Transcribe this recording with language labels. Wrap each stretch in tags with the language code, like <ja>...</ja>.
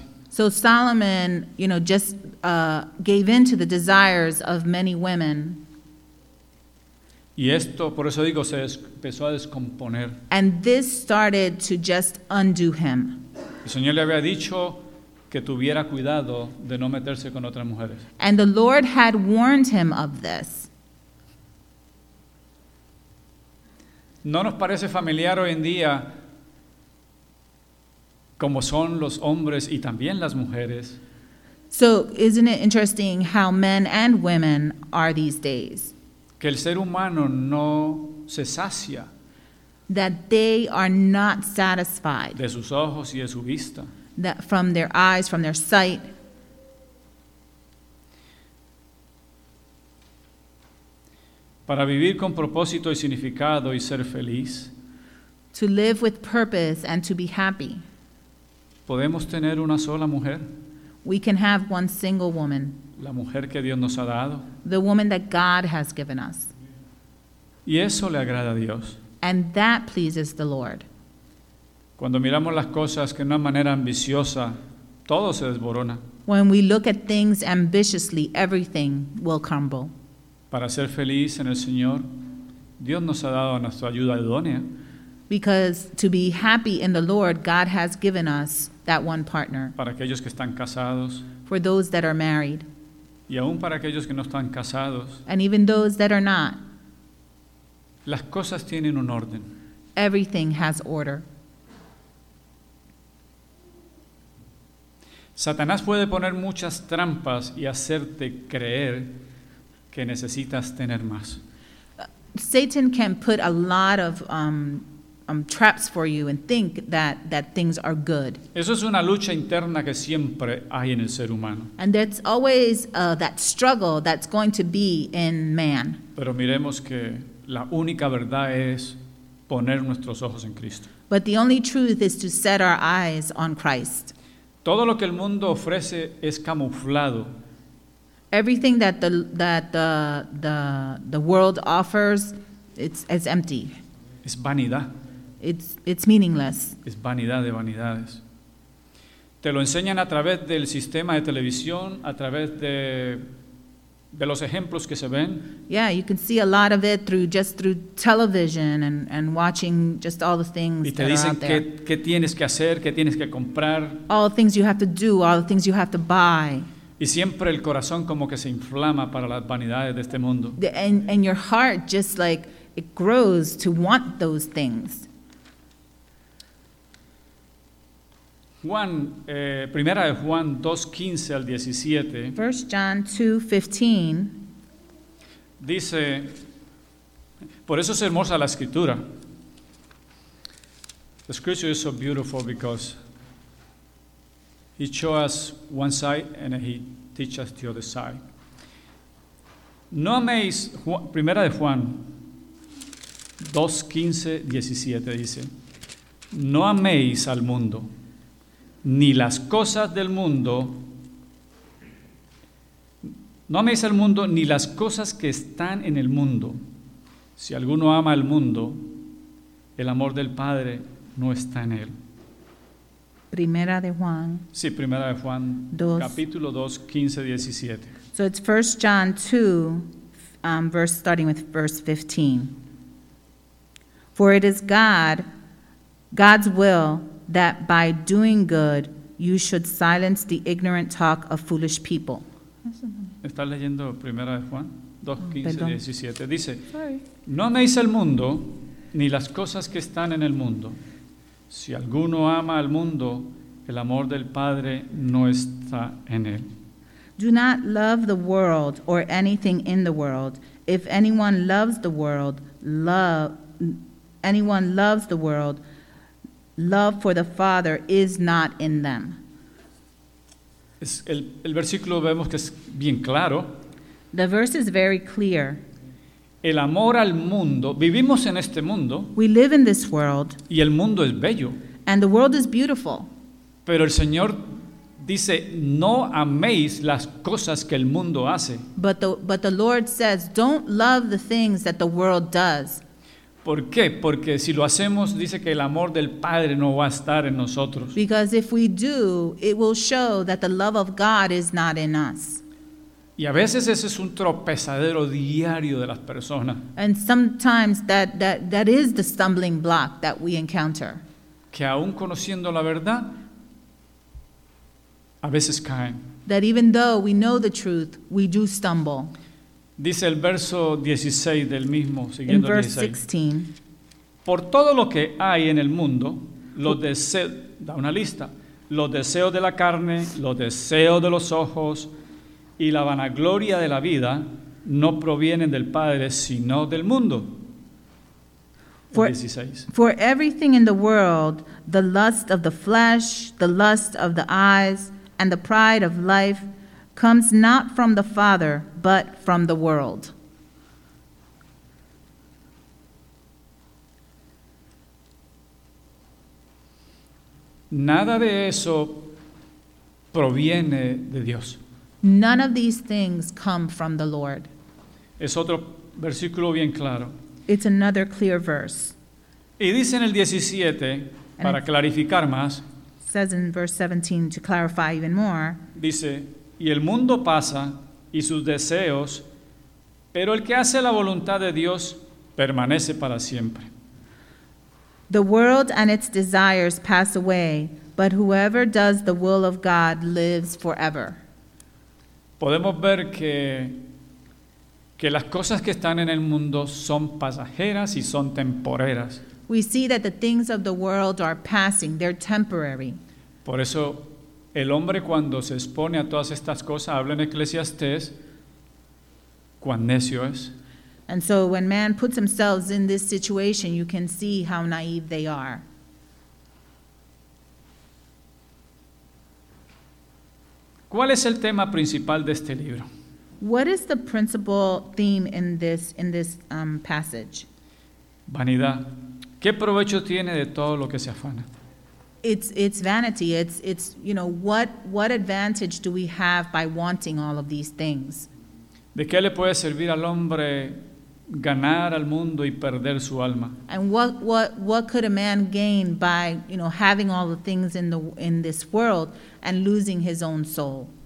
<en>So Solomon, you know, just gave in to the desires of many women.</en> <es>Y esto, por eso digo, se empezó a descomponer.</es> <en>And this started to just undo him.</en> <es>El Señor le había dicho que tuviera cuidado de no meterse con otras mujeres.</es> <en>And the Lord had warned him of this.</en> <es>No nos parece familiar hoy en día como son los hombres y también las mujeres.</es> <en>So, isn't it interesting how men and women are these days?</en> <es>Que el ser humano no se sacia.</es> <en>That they are not satisfied.</en> <es>De sus ojos y de su vista.</es> <en>That from their eyes, from their sight.</en> <es>Para vivir con propósito y significado y ser feliz.</es> <en>To live with purpose and to be happy.</en> <es>Podemos tener una sola mujer.</es> <en>We can have one single woman.</en> <es>La mujer que Dios nos ha dado.</es> <en>The woman that God has given us.</en> <es>Y eso le agrada a Dios.</es> <en>And that pleases the Lord.</en> <es>Cuando miramos las cosas que de una manera ambiciosa, todo se desborona.</es> <en>When we look at things ambitiously, everything will crumble.</en> <es>Para ser feliz en el Señor, Dios nos ha dado nuestra ayuda idónea.</es> <en>Because to be happy in the Lord, God has given us that one partner.</en> <es>Para aquellos que están casados.</es> <en>For those that are married.</en> <es>Y aún para aquellos que no están casados.</es> <en>And even those that are not.</en> <es>Las cosas tienen un orden.</es> <en>Everything has order.</en> <es>Satanás puede poner muchas trampas y hacerte creer que necesitas tener más.</es> <en>Satan can put a lot of traps for you and think that things are good.</en> <es>Eso es una lucha interna que siempre hay en el ser humano.</es> <en>And that's always that struggle that's going to be in man.</en> <es>Pero miremos que la única verdad es poner nuestros ojos en Cristo.</es> <en>But the only truth is to set our eyes on Christ.</en> <es>Todo lo que el mundo ofrece es camuflado.</es> <en>Everything that the world offers, it's empty.</en> <es>Es vanidad. It's meaningless. Es vanidad de vanidades. Te lo enseñan a través del sistema de televisión, a través de los ejemplos que se ven.</es> <en>Yeah, you can see a lot of it through television and watching just all the things that are out there.</en> <es>Y te dicen qué tienes que hacer, qué tienes que comprar.</es> <en>All the things you have to do, all the things you have to buy.</en> <es>Y siempre el corazón como que se inflama para las vanidades de este mundo.</es> <en>And your heart just like it grows to want those things.</en> <es>Juan, primera de Juan 2:15 al 17.</es> <en>First John 2:15.</en> <es>Dice, por eso es hermosa la escritura.</es> <en>The scripture is so beautiful because he shows us one side and he teaches us the other side.</en> <es>No améis, primera de Juan 2:15-17 dice, no améis al mundo. Ni las cosas del mundo, no améis al mundo ni las cosas que están en el mundo. Si alguno ama al mundo, el amor del Padre no está en él. Primera de Juan. Sí, primera de Juan, dos. Capítulo 2, 15, 17.</es> <en>So it's 1 John 2, verse starting with verse 15. For it is God's will, that by doing good, you should silence the ignorant talk of foolish people.</en> <es>Está leyendo primera de Juan 2:15-17. Dice, no améis al mundo ni las cosas que están en el mundo. Si alguno ama al mundo, el amor del Padre no está en él.</es> <en>Do not love the world or anything in the world. If anyone loves the world, love for the Father is not in them.</en> <es>El versículo vemos que es bien claro.</es> <en>The verse is very clear.</en> <es>El amor al mundo, vivimos en este mundo.</es> <en>We live in this world.</en> <es>Y el mundo es bello.</es> <en>And the world is beautiful.</en> <es>Pero el Señor dice, no améis las cosas que el mundo hace.</es> <en>But the Lord says, don't love the things that the world does.</en> <es>¿Por qué? Porque si lo hacemos, dice que el amor del Padre no va a estar en nosotros.</es> <en>Because if we do, it will show that the love of God is not in us.</en> <es>Y a veces ese es un tropezadero diario de las personas.</es> <en>And sometimes that is the stumbling block that we encounter.</en> <es>Que aún conociendo la verdad, a veces caen.</es> <en>That even though we know the truth, we do stumble.</en> <es>Dice el verso 16 del mismo, siguiendo el 16. 16. Por todo lo que hay en el mundo, da una lista, los deseos de la carne, los deseos de los ojos y la vanagloria de la vida no provienen del Padre, sino del mundo.</es> <en>For, 16. For everything in the world, the lust of the flesh, the lust of the eyes, and the pride of life, comes not from the Father, but from the world.</en> <es>Nada de eso proviene de Dios.</es> <en>None of these things come from the Lord.</en> <es>Es otro versículo bien claro.</es> <en>It's another clear verse.</en> <es>Y dice en el 17, para clarificar más.</es> <en>Says in verse 17, to clarify even more.</en> <es>Dice, y el mundo pasa y sus deseos, pero el que hace la voluntad de Dios permanece para siempre.</es> <en>The world and its desires pass away, but whoever does the will of God lives forever.</en> <es>Podemos ver que las cosas que están en el mundo son pasajeras y son temporeras.</es> <en>We see that the things of the world are passing, they're temporary.</en> <es>Por eso el hombre cuando se expone a todas estas cosas habla en Eclesiastés, cuán necio es.</es> <en>And so when man puts themselves in this situation, you can see how naive they are.</en> <es>¿Cuál es el tema principal de este libro?</es> <en>What is the principal theme in this passage?</en> <es>Vanidad. ¿Qué provecho tiene de todo lo que se afana?</es> <en>It's vanity. It's you know, what advantage do we have by wanting all of these things?</en> <es>¿De qué le puede servir al hombre ganar al mundo y perder su alma?</es> <en>And what could a man gain by, you know, having all the things in this world and losing his own soul?</en>